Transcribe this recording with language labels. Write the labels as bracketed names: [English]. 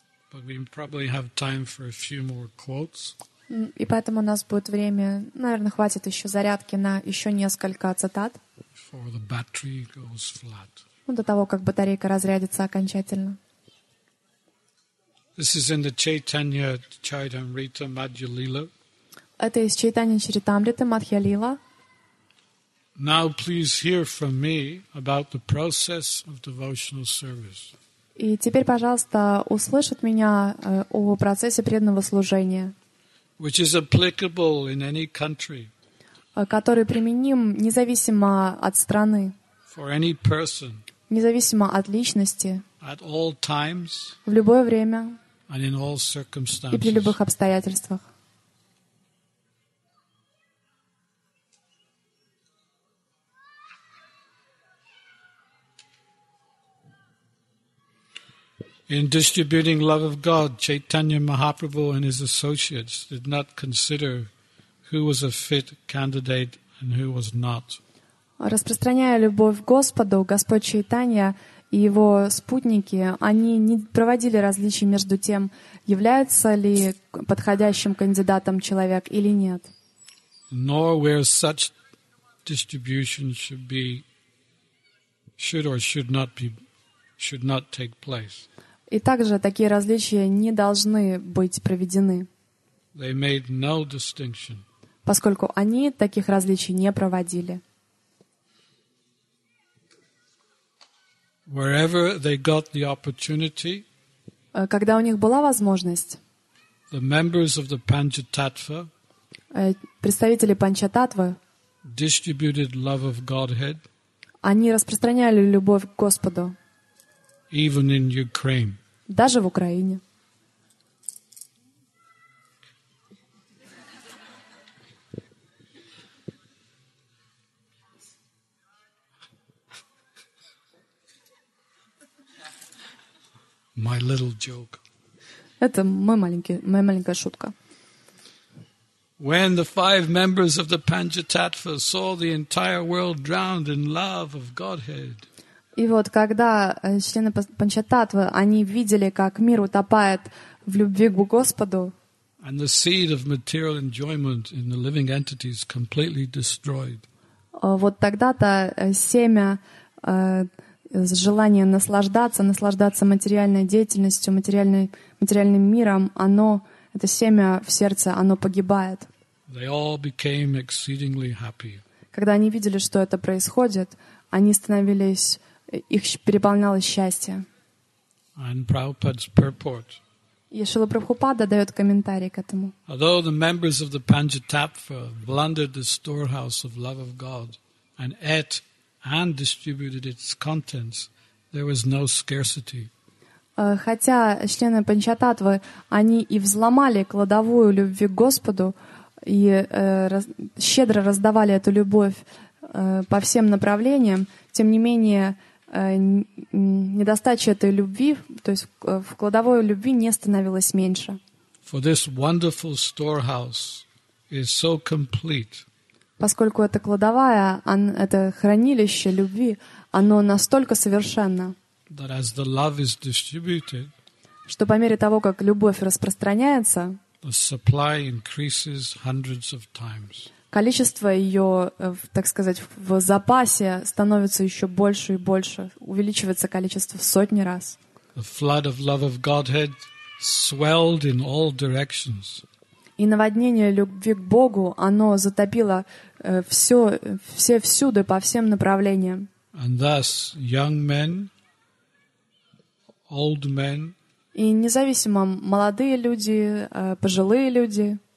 [English] But we probably have time for a few more quotes. [Russian] И поэтому у нас будет время, наверное, хватит еще зарядки на еще несколько цитат. [English] Before the battery goes flat. [Russian] Ну, до того, как батарейка разрядится окончательно. [English] This is in the Chaitanya Charitamrita Madhya Lila. [Russian] Это из Чайтанья Чаритамриты Мадхья Лила. [English] Now please hear from me about the process of devotional service. [Russian] И теперь, пожалуйста, услышь от меня о процессе преданного служения. [English] Which is applicable in any country. [Russian] Который применим независимо от страны. [English] For any person. [Russian] Независимо от личности. [English] At all times. [Russian] В любое время. [English] And in all circumstances. [Russian] И при любых обстоятельствах. [English] In distributing love of God, Chaitanya Mahaprabhu and his associates did not consider who was a fit candidate and who was not. [Russian] Распространяя любовь к Господу, Господь Чайтанья и его спутники, они не проводили различий между тем, является ли подходящим кандидатом человек или нет. [English] Nor where such distribution should not take place. [Russian] И также такие различия не должны быть проведены, [English] They made no distinction. [Russian] Поскольку они таких различий не проводили. [English] Wherever they got the opportunity, [Russian] когда у них была возможность, [English] the members of the Panchatattva, [Russian] представители Панчататвы [English] distributed love of Godhead, [Russian] они распространяли любовь к Господу, [English] even in Ukraine. [Russian] Даже в Украине. [English] My little joke. [Russian] Это моя маленькая шутка. [English] When the five members of the Panchatattva saw the entire world drowned in love of Godhead. [Russian] И вот когда члены Панчататвы, они видели, как мир утопает в любви к Господу, вот тогда-то семя желания наслаждаться материальной деятельностью, материальным миром, оно, это семя в сердце, оно погибает. [English] They all became exceedingly happy. [Russian] Когда они видели, что это происходит, они становились... Их переполнялось счастье. И Шрила Прабхупада дает комментарий к этому. [English] Although the members of the Panchatattva plundered the storehouse of love of God and ate and distributed its contents, there was no scarcity. [Russian] Хотя члены Панчататвы, они и взломали кладовую любви к Господу и щедро раздавали эту любовь по всем направлениям, тем не менее, недостача этой любви, то есть в кладовой любви не становилось меньше. [English] For this wonderful storehouse is so complete. [Russian] Поскольку это кладовая, это хранилище любви, оно настолько совершенно, [English] that as the love is distributed, [Russian] что по мере того, как любовь распространяется, [English] the supply increases hundreds of times. [Russian] Количество ее, так сказать, в запасе становится еще больше и больше, увеличивается количество в сотни раз. [English] The flood of love of Godhead swelled in all directions. [Russian] И наводнение любви к Богу, оно затопило все всюду, по всем направлениям. [English] And thus, young men, old men, [Russian] и независимо, молодые люди, пожилые люди,